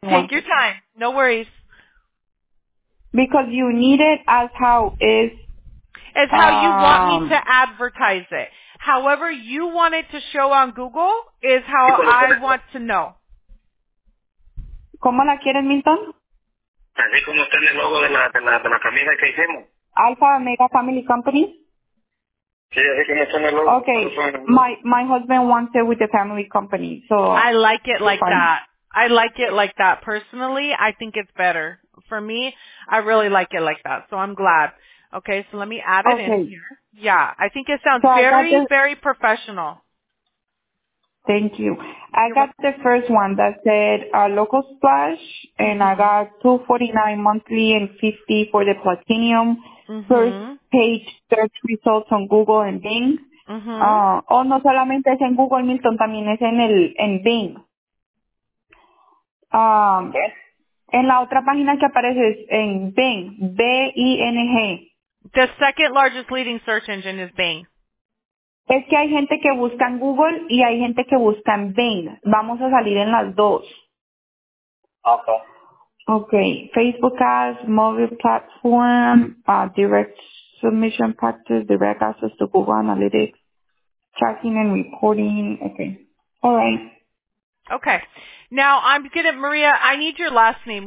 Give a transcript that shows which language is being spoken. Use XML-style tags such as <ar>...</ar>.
<en>Take your time. No worries. Because you need it as how is. As how you want me to advertise it. However you want it to show on Google is how I want to know.</en> <es>¿Cómo la quieren, Milton? Así como está en el logo de la camisa que hicimos.</es> <en>Alpha Omega Family Company?</en> <es>Sí, así como está en el logo.</es> <en>Okay, my husband wants it with the family company, so. I like it like that. I like it like that. Personally, I think it's better. For me, I really like it like that, so I'm glad. Okay, so let me add it in here. Yeah, I think it sounds very professional. Thank you. The first one that said local splash, and I got $249 monthly and $50 for the platinum. Mm-hmm. First page search results on Google and Bing. Mm-hmm.</en> <es>No solamente es en Google, Milton, también es en Bing. En la otra página que aparece es en Bing, B-I-N-G.</es> <en>The second largest leading search engine is Bing.</en> <es>Es que hay gente que busca en Google y hay gente que busca en Bing. Vamos a salir en las dos.</es> <en>Okay. Facebook ads, mobile platform, direct submission practice, direct access to Google Analytics, tracking and reporting. Okay. All right. Okay. Now, Maria, I need your last name.</en>